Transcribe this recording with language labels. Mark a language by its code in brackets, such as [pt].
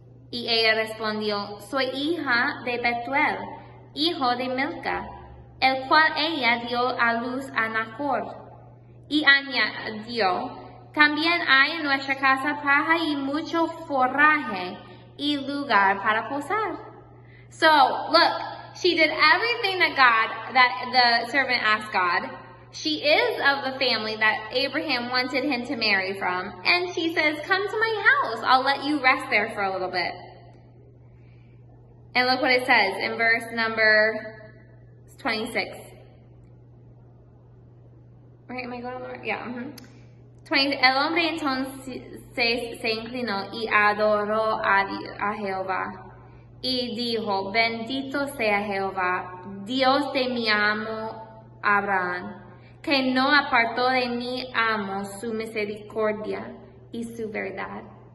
[es] Y ella respondió, soy hija de Betuel, hijo de Milca, el cual ella dio a luz a Nacor. Y añadió, también hay en nuestra casa paja y mucho forraje y lugar para posar. [en] So, look, she did everything that the servant asked God. She is of the family that Abraham wanted him to marry from. And she says, come to my house. I'll let you rest there for a little bit. And look what it says in verse number 26. Right, am I going on the right? [es] Yeah, 20. El hombre entonces se inclinó y adoró a Jehová. Y dijo, bendito sea Jehová, Dios de mi amo Abraham, que no apartó de mi amo su misericordia y su verdad.